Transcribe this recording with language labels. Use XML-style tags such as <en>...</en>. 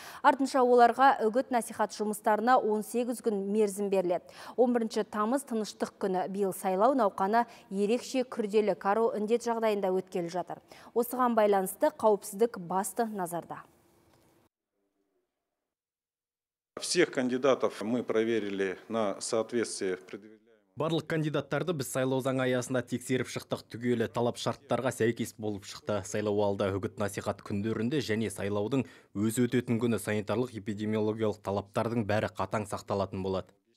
<kk>Артынша оларға үгіт-насихат жұмыстарына 18 күн мерзім берілді. 11 тамыз тыныштық күні биыл сайлау науқаны ерекше күрделі қару індет жағдайында өткелі жатыр. Осыған байланысты қауіпсіздік басты назарда.</kk> <ru>Всех кандидатов мы проверили на соответствие предъявленных.</ru> <kk>Барлық кандидаттарды біз сайлау заңы аясында тексеріп шықтық, түгелі талап шарттарға сәйкес болып шықты. Сайлау алды үгіт-насихат күндерінде және сайлаудың өз өтетін күні санитарлық эпидемиологиялық талаптардың бәрі қатаң сақталатын болады.</kk>